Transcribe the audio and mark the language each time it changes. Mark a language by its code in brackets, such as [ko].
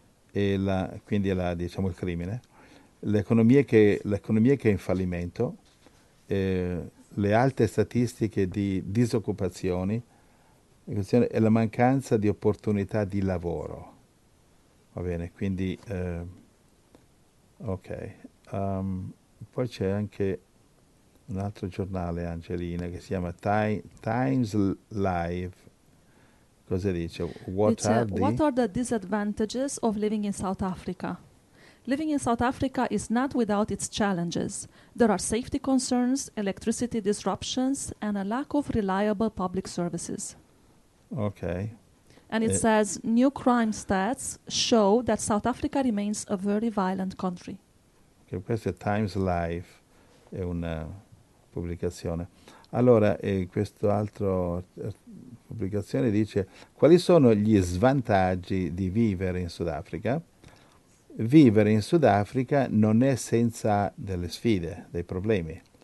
[it] quindi diciamo il crimine, l'economia che è in fallimento, le alte statistiche di disoccupazioni e la mancanza di opportunità di lavoro. Va bene, quindi ok. Poi c'è anche un altro giornale, Angelina, che si chiama Times Live. Cosa dice? [en] What [it] Dice, [en] are what the? are the disadvantages of living in South Africa? Living in South Africa is not without its challenges. There are safety concerns, electricity disruptions, and a lack of reliable public services. Ok. And it says new crime stats show that South Africa remains a very violent country. [it] Questo è Times Live, è una pubblicazione. Allora, questo altro pubblicazione dice: quali sono gli svantaggi di vivere in Sudafrica? Vivere in Sudafrica non è senza delle sfide, dei problemi.